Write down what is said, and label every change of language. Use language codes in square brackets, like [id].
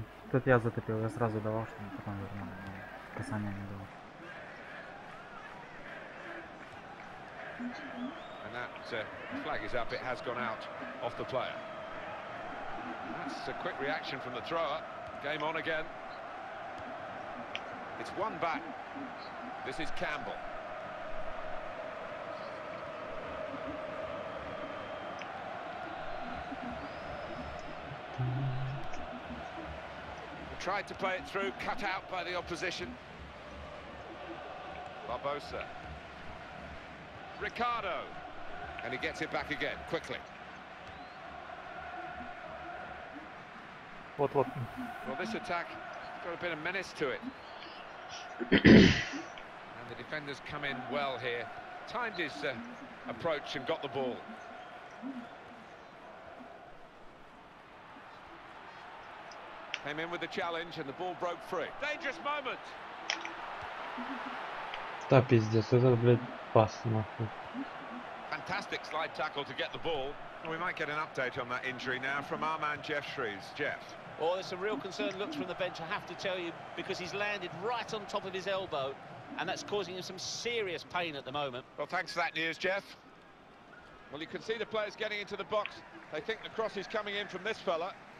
[ru] Тут я затопил, я сразу давал, чтобы потом вернул, но касания не давал. [en] And that flag is up, it has gone out off the player. That's a quick reaction from the thrower. Game on again. It's one back. This is Campbell. Tried to play it through, cut out by the opposition. Barbosa. Ricardo. And he gets it back again, quickly. What, what? Well, this attack got a bit of menace to it. And the defender's come in well here. Timed his approach and got the ball. Came in with the challenge and the ball broke free. Dangerous moment. [ru] Да пиздец, это, блядь, пас нахуй. [en] Fantastic slide tackle to get the ball. We might get an update on that injury now from our man Jeff Shrees. Jeff. Well, there's some real concern looks from the bench, I have to tell you, because he's landed right on top of his elbow and that's causing him some serious pain at the moment. Well, thanks for that news, Jeff. Well, you can see the players getting into the box. They think the cross is coming in from this fella.